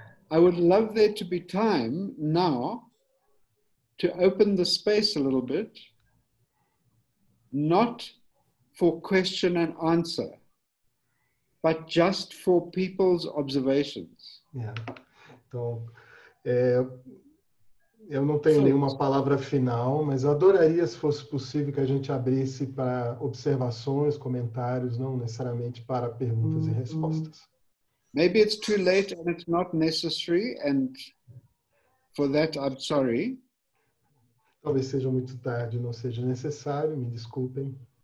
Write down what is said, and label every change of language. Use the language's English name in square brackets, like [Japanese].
[English] I would love there to be time now to open the space a little bit, not for question and answer, but just for people's observations. Yeah. [Portuguese] Então, eu não tenho nenhuma palavra final, mas adoraria se fosse possível que a gente abrisse para observações, comentários, não necessariamente para perguntas e respostas. [English] Maybe it's too late and it's not necessary, and for that I'm sorry. [Portuguese] Talvez seja muito tarde, não seja necessário, me desculpem.